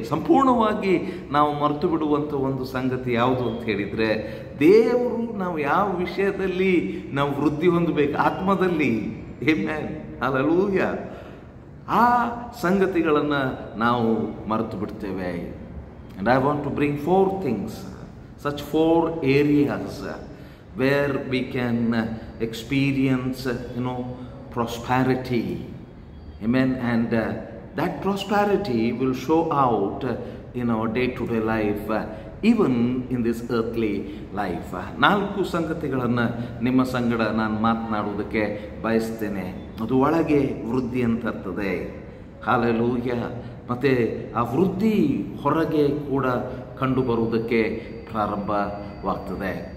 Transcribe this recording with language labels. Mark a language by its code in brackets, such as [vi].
[kn] ಸಂಪೂರ್ಣವಾಗಿ ನಾವು ಮರೆತು ಬಿಡುವಂಥ ಒಂದು ಸಂಗತಿ ಯಾವುದು ಅಂತ ಹೇಳಿದರೆ, ದೇವರು ನಾವು ಯಾವ ವಿಷಯದಲ್ಲಿ ನಾವು ವೃತ್ತಿ ಹೊಂದಬೇಕು ಆತ್ಮದಲ್ಲಿ, ಆಮೆನ್, ಹಲ್ಲೆಲೂಯಾ, ಆ ಸಂಗತಿಗಳನ್ನು ನಾವು ಮರೆತು ಬಿಡ್ತೇವೆ. [en] And I want to bring four things, such four areas where we can experience, you know, prosperity. Amen. And that prosperity will show out in our day-to-day life, even in this earthly life. [kn] ನಾಲ್ಕು ಸಂಗತಿಗಳನ್ನು ನಿಮ್ಮ ಸಂಗಡ ನಾನು ಮಾತನಾಡುವುದಕ್ಕೆ ಬಯಸ್ತೇನೆ. ಅದು ಒಳಗೆ ವೃದ್ಧಿ ಅಂತ ಇರ್ತದೆ, ಹಾಲೆಲೂಯಾ, ಮತ್ತು ಆ ವೃದ್ಧಿ ಹೊರಗೆ ಕೂಡ ಕಂಡು ಬರುವುದಕ್ಕೆ ಪ್ರಾರಂಭವಾಗ್ತದೆ.